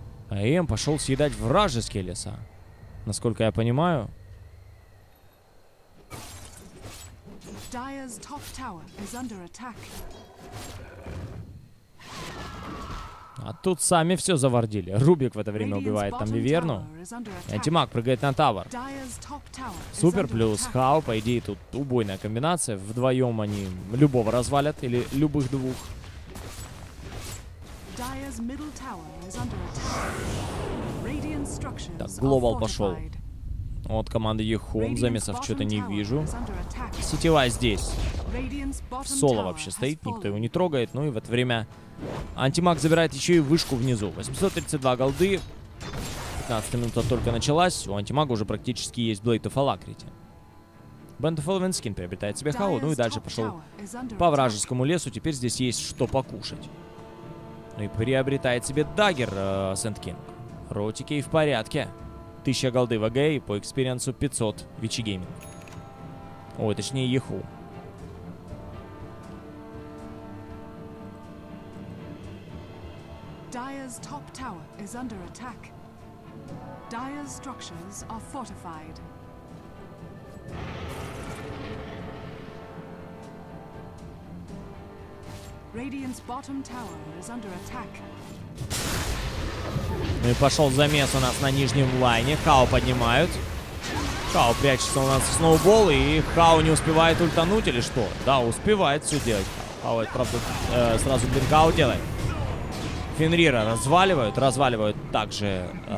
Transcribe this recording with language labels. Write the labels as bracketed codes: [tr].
[ru] А Эм пошел съедать вражеские леса. Насколько я понимаю. [en] Dire's top tower is under attack. [ru] А тут сами все завардили. Рубик в это время убивает там Виверну. Антимаг прыгает на тавер. Супер плюс Хао. По идее, тут убойная комбинация. Вдвоем они любого развалят. Или любых двух. [en] Dire's middle tower is under attack. [ru] Так, Глобал пошел. От команды Yehome замесов что-то не вижу. Сетевая здесь. Соло вообще стоит, никто его не трогает. Ну и в это время антимаг забирает еще и вышку внизу. 832 голды. 15 минута только началась. У антимага уже практически есть Blade of Alacrity. Band of Elven Skin приобретает себе хау. Ну и дальше пошел по вражескому лесу. Теперь здесь есть что покушать. Ну и приобретает себе Dagger Sand King. Ротики и в порядке. 1000 голды в АГ и по экспириенсу 500 Вичи Гейминг. Ой, точнее, Еху. [en] Dire's top tower is under attack. Dire's structures are fortified. Radiant's bottom tower is under attack. [ru] Ну и пошел замес у нас на нижнем лайне. Хао поднимают. Хао прячется у нас в сноубол. И Хао не успевает ультануть или что? Да, успевает все делать. Хао это правда сразу бинкау делает. Фенрира разваливают. Разваливают также.